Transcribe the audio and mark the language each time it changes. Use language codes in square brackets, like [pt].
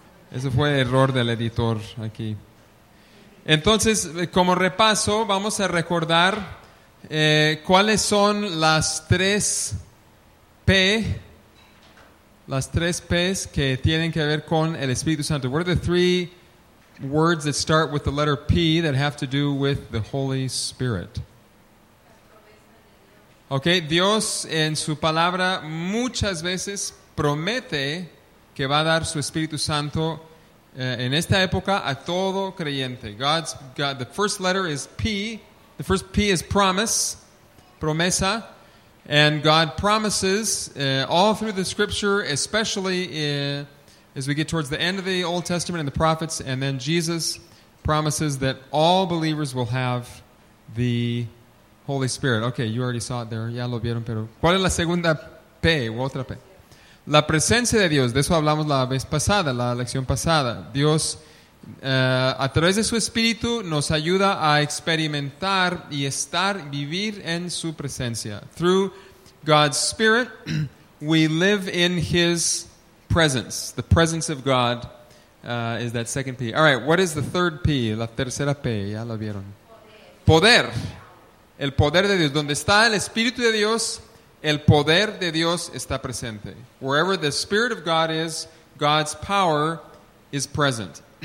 [es] Eso fue error del editor aquí. Entonces, como repaso, vamos a recordar cuáles son las 3 P, las 3 P's que tienen que ver con el Espíritu Santo. [en] What are the 3 words that start with the letter P that have to do with the Holy Spirit? [es] Okay, Dios en su palabra muchas veces promete que va a dar su Espíritu Santo en esta época a todo creyente. [en] God, the first letter is P. The first P is promise, promesa, and God promises all through the scripture, especially as we get towards the end of the Old Testament and the prophets, and then Jesus promises that all believers will have the Holy Spirit. Okay, you already saw it there. [es] Ya lo vieron, pero ¿cuál es la segunda P o otra P? La presencia de Dios. De eso hablamos la vez pasada, la lección pasada. Dios a través de su Espíritu nos ayuda a experimentar y estar, vivir en su presencia. [en] Through God's Spirit, we live in His presence. The presence of God is that second P. All right, what is the third P? [es] La tercera P, ya la vieron. Poder. El poder de Dios. Donde está el Espíritu de Dios, el poder de Dios está presente. [en] Wherever the Spirit of God is, God's power is present.